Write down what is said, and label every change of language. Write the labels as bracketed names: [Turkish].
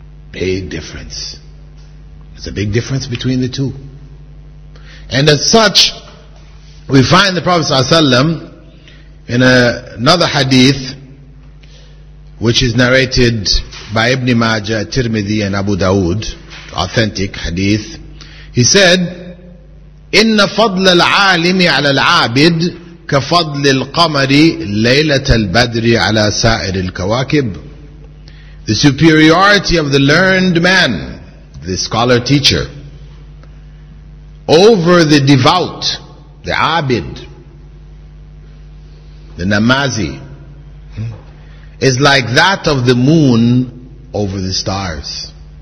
[English] Big difference. There's a big difference between the two. And as such, we find the Prophet ﷺ in another hadith, which is narrated by Ibn Majah, Tirmidhi, and Abu Dawood, authentic hadith. He said, [Arabic] إن فضل العالم على العابد كفضل القمر ليلة البدر على سائر الكواكب. [English] The superiority of the learned man, the scholar teacher, over the devout, the abid, the namazi, is like that of the moon over the stars.